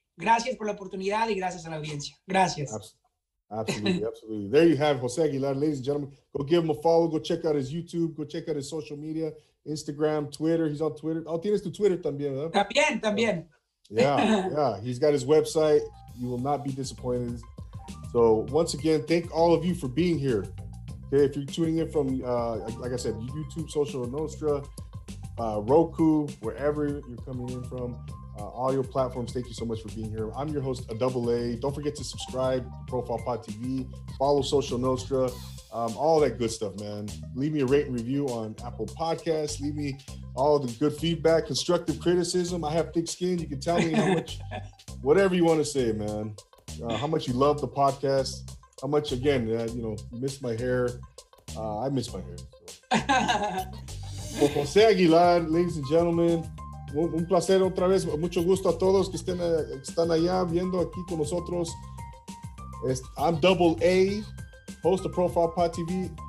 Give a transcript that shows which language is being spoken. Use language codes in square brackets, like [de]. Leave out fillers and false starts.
[es] Gracias por la oportunidad y gracias a la audiencia. Gracias. [en] Absolutely. There you have José Aguilar. Ladies and gentlemen, go give him a follow. Go check out his YouTube. Go check out his social media, Instagram, Twitter. He's on Twitter. [es] Oh, tienes tu Twitter también, ¿verdad? También. [en] Yeah. He's got his website. You will not be disappointed. So once again, thank all of you for being here. Okay, if you're tuning in from, like I said, YouTube, Social Nostra, Roku, wherever you're coming in from, all your platforms, thank you so much for being here. I'm your host, AA. Don't forget to subscribe to Profile Pod TV, follow Social Nostra, all that good stuff, man. Leave me a rate and review on Apple Podcasts. Leave me all the good feedback, constructive criticism. I have thick skin. You can tell me how much, whatever you want to say, man, how much you love the podcast. How much, again, you know, miss my hair. I miss my hair. So. José Aguilar, ladies and gentlemen. [es] Un placer otra vez. Mucho gusto a todos que están allá viendo aquí con nosotros. [en] I'm Double A, host of Profile Pod TV.